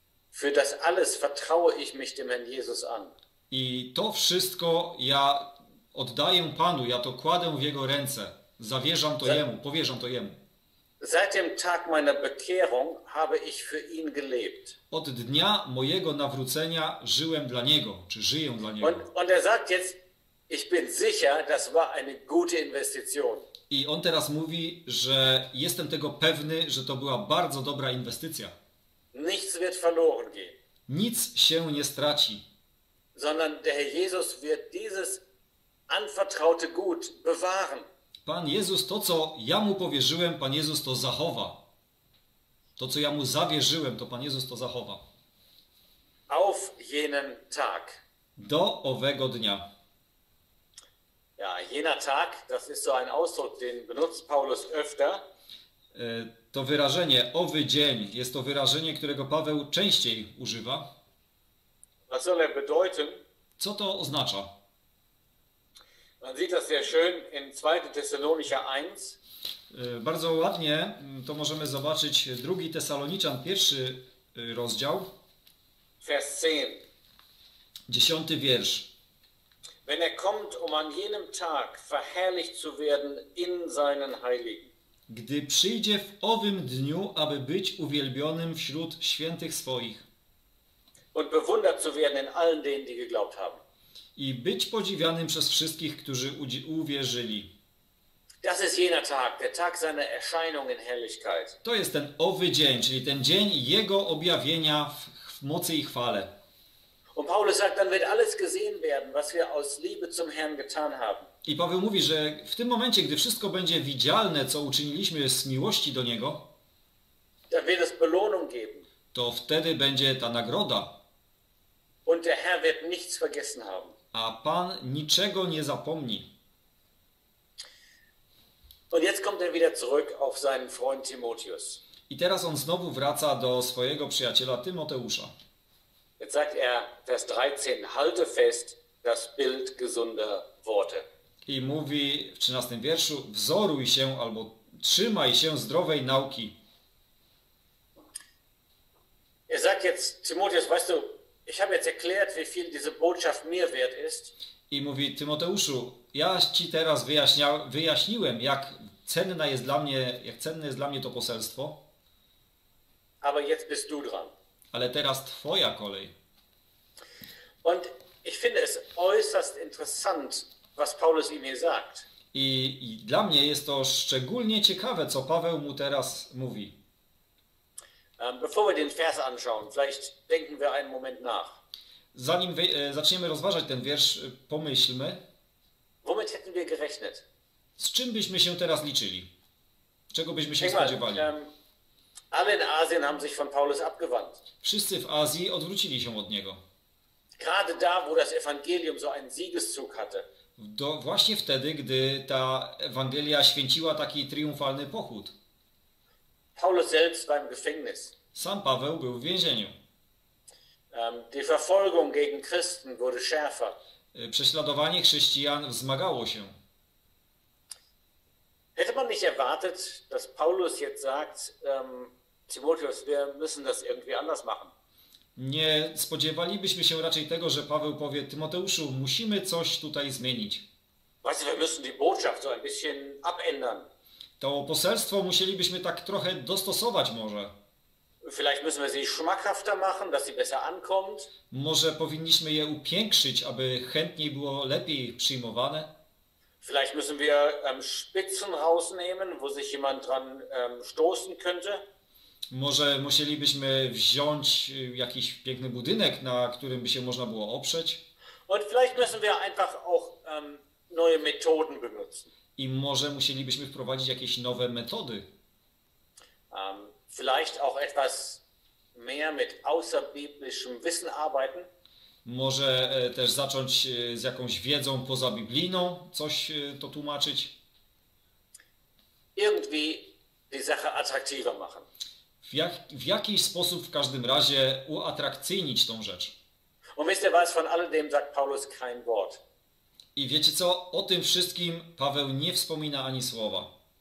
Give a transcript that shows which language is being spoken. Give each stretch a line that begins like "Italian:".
German: Für das alles vertraue ich mich dem Herrn Jesus an.
Polish: I to wszystko ja oddaję Panu, ja to kładę w jego ręce. Zawierzam to jemu, powierzam to jemu.
German: Seit dem Tag meiner Bekehrung habe ich für ihn gelebt.
Polish: Od dnia mojego nawrócenia żyłem dla niego, czy żyję dla niego.
German: Und er sagt jetzt, ich bin sicher, das war eine gute Investition.
Polish: I on teraz mówi, że jestem tego pewny, że to była bardzo dobra inwestycja.
German: Nichts wird verloren gehen.
Polish: Nic się nie straci.
German: Sondern der Herr Jesus wird dieses anvertraute Gut bewahren.
Polish: Pan Jezus to, co ja mu powierzyłem, Pan Jezus to zachowa. To, co ja mu zawierzyłem, to Pan Jezus to zachowa.
German: Auf jenen Tag.
Polish: Do owego dnia.
German: Ja, jener Tag, das ist so ein Ausdruck, den benutzt Paulus öfter.
Polish: To wyrażenie, owy dzień, jest to wyrażenie, którego Paweł częściej używa.
German: Was soll er bedeuten?
Polish: Co to oznacza?
German: Man sieht das sehr schön in 2. Thessalonicher 1.
Polish: Bardzo ładnie to możemy zobaczyć 2. Tesaloniczan, 1. rozdział.
German: Vers 10.
Polish: 10. wiersz.
German: Wenn er kommt, um an jenem Tag verherrlicht zu werden in seinen Heiligen.
Polish: Gdy przyjdzie w owym dniu, aby być uwielbionym wśród świętych swoich.
German: Und bewundert zu werden in allen denen, die geglaubt haben.
Polish: I być podziwianym przez wszystkich, którzy uwierzyli.
German: Das ist jener Tag, der Tag seiner Erscheinung in Herrlichkeit.
Polish: To jest ten owy dzień, czyli ten dzień jego objawienia w mocy i chwale.
German: Und Paulus sagt, dann wird alles gesehen werden, was wir aus Liebe zum Herrn getan haben.
Polish: I Paweł mówi, że w tym momencie, gdy wszystko będzie widzialne, co uczyniliśmy z miłości do niego,
German: dann wird es Belohnung geben.
Polish: To wtedy będzie ta nagroda.
German: Und der Herr wird nichts vergessen haben.
Polish: A Pan niczego nie zapomni.
German: Und jetzt kommt er wieder zurück auf seinen Freund Timotheus.
Polish: I teraz on znowu wraca do swojego przyjaciela Tymoteusza.
German: Jetzt sagt er, Vers 13, halte fest das Bild gesunder Worte.
Polish: I mówi w 13 wierszu, wzoruj się albo trzymaj się zdrowej nauki.
German: Er sagt jetzt, Timotheus, weißt du, ich habe jetzt erklärt, wie viel diese Botschaft mir wert ist.
Polish: I mówi, Tymoteuszu, ja ci teraz wyjaśniłem, jak cenne jest dla mnie to poselstwo.
German: Aber jetzt bist du dran.
Polish: Ale teraz twoja kolej.
German: Und ich finde es äußerst interessant, was Paulus ihm hier sagt.
Polish: I dla mnie jest to szczególnie ciekawe, co Paweł mu teraz mówi.
German: Bevor wir den Vers anschauen, vielleicht denken wir einen Moment nach.
Polish: Zanim zaczniemy rozważać ten wiersz, pomyślmy.
German: Womit hätten wir gerechnet?
Polish: Z czym byśmy się teraz liczyli? Czego byśmy się spodziewali?
German: Alle in Asien haben sich von Paulus abgewandt.
Polish: Wszyscy w Azji odwrócili się od niego.
German: Gerade da, wo das Evangelium so einen Siegeszug hatte.
Polish: Właśnie wtedy, gdy ta Ewangelia święciła taki triumfalny pochód.
German: Paulus selbst war im Gefängnis.
Polish: Sam Paweł był w więzieniu.
German: Die Verfolgung gegen Christen wurde schärfer.
Polish: Prześladowanie chrześcijan wzmagało się.
German: Hätte man nicht erwartet, dass Paulus jetzt sagt, Timotheus, wir müssen das irgendwie anders machen.
Polish: Nie spodziewalibyśmy się raczej tego, że Paweł powie, Tymoteuszu, musimy coś tutaj zmienić.
German: Weißt du, wir müssen die Botschaft so ein bisschen abändern.
Polish: To poselstwo musielibyśmy tak trochę dostosować może.
German: Vielleicht müssen wir sie schmackhafter machen, dass sie besser ankommt.
Polish: Może powinniśmy je upiększyć, aby chętniej było lepiej przyjmowane.
German: Vielleicht müssen wir Spitzen rausnehmen, wo sich jemand dran stoßen könnte.
Polish: Może musielibyśmy wziąć jakiś piękny budynek, na którym by się można było oprzeć.
German: Und vielleicht müssen wir einfach auch neue Methoden benutzen.
Polish: I może musielibyśmy wprowadzić jakieś nowe metody.
German: Vielleicht auch etwas mehr mit außerbiblischem Wissen arbeiten.
Polish: Może też zacząć z jakąś wiedzą pozabiblijną, coś to tłumaczyć.
German: Irgendwie die Sache attraktiver machen.
Polish: W jakiś sposób w każdym razie uatrakcyjnić tą rzecz.
German: Und wisst ihr was, von alledem sagt Paulus kein Wort.
Polish: I wiecie co? O tym wszystkim Paweł nie wspomina ani słowa.